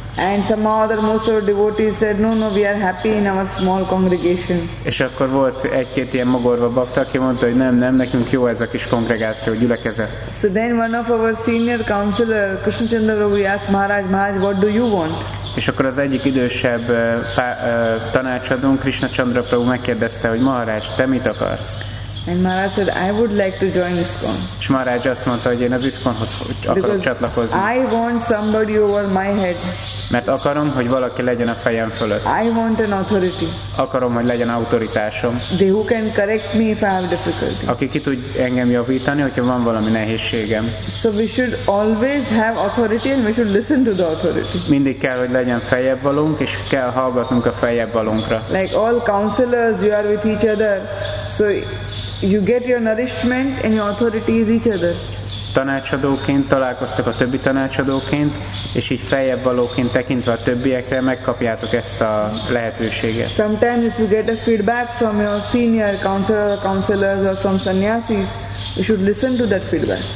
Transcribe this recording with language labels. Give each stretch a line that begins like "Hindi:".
English: And some other most of the devotees said, no, no, we are happy in our small congregation.
Hungarian: És akkor volt egy-két ilyen magorva bakta, aki mondta, hogy nem, nem, nekünk jó ez a kis kongregáció, gyülekezet.
English: So then one of our senior counselor, Krishna Chandra, we asked Maharaj, Maharaj, what do you want?
Hungarian: És akkor az egyik idősebb tanácsadónk, Krishna Chandra Prabhu megkérdezte, hogy Maharaj, te mit akarsz?
English: And Maharaj said, I would like to join ISKCON.
Hungarian: És Maharaj azt mondta, hogy én az ISKCON-hoz akarok csatlakozni.
English: I want somebody over my head.
Hungarian: Mert akarom, hogy valaki legyen a fejem fölött.
English: I want an authority.
Hungarian: Akarom, hogy legyen autoritásom.
English: They who can correct me if I have difficulty.
Hungarian: Aki ki tud engem javítani, hogyha van valami nehézségem.
English: So we should always have authority and we should listen to the authority.
Hungarian: Mindig kell, hogy legyen fejebb valónk, és kell hallgatnunk a fejebb valónkra.
English: Like all counselors, you are with each other. So you get your nourishment and your authority is each other.
Hungarian: Tanácsadóként találkoztak a többi tanácsadóként, és így feljebb valóként tekintve a többiekre megkapjátok ezt a lehetőséget.
English: Sometimes if you get a feedback from your senior counselor or counselors or from sannyasis, you should listen to that feedback.